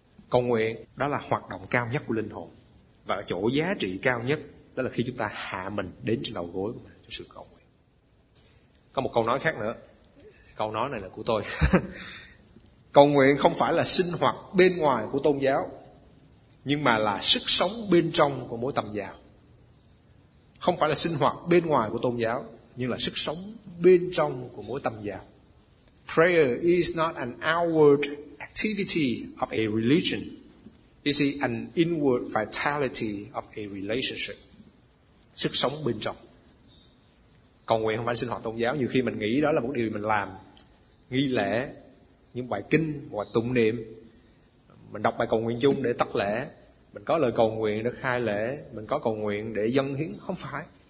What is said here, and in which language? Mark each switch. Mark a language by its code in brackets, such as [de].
[vi] Cầu nguyện đó là hoạt động cao nhất của linh hồn. Và ở chỗ giá trị cao nhất đó là khi chúng ta hạ mình đến trên đầu gối của mình trong sự cầu nguyện. Có một câu nói khác nữa. Câu nói này là của tôi. Cầu nguyện không phải là sinh hoạt bên ngoài của tôn giáo, nhưng mà là sức sống bên trong của mỗi tâm giáo. Không phải là sinh hoạt bên ngoài của tôn giáo, nhưng là sức sống bên trong của mỗi tâm giáo. [en] Prayer is not an outward activity of a religion. It is an inward vitality of a relationship. [vi] Sức sống bên trong. Cầu nguyện không phải sinh hoạt tôn giáo. Nhiều khi mình nghĩ đó là một điều mình làm, nghi lễ, những bài kinh hoặc tụng niệm, mình đọc bài cầu nguyện chung để tắc lễ, mình có lời cầu nguyện để khai lễ, mình có cầu nguyện để dâng hiến. Không phải.